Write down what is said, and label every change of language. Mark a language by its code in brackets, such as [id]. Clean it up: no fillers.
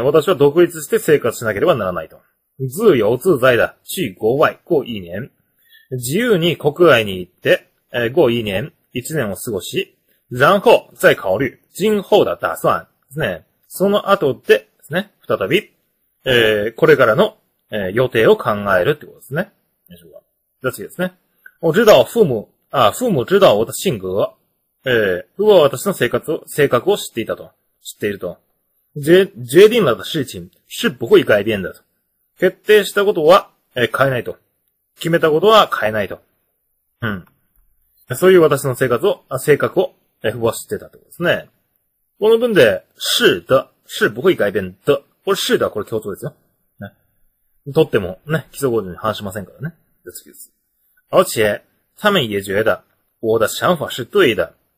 [ja] 私は独立して生活しなければならないと。 [zh] 自由自在的去国外过一年。 [ja] 自由に国外に行って、 [zh] 过一年、 [ja] 一年を過ごし、 [zh] 然后再考虑、今后的打算、 [ja] ですね。その後で、ですね、再び、これからの、予定を考えるってことですね。でしょうか。じゃあ次ですね。 [zh] 我知道父母知道我的性格。 [ja] 父母は私の性格を知っていたと。知っていると。 [zh] 决定了的事情是不会改变的。 [ja] 決定したことは、変えないと。決めたことは変えないと。うん。そういう私の性格を、父母は知ってたってことですね。この文で、 [zh] 是的、是不会改变的。 [ja] これ [zh] 是的、 [ja] これ共通ですよ。ね。とってもね、基礎語順に反しませんからね。じゃ次です。 [zh] 而且、他们也觉得、我的想法是对的。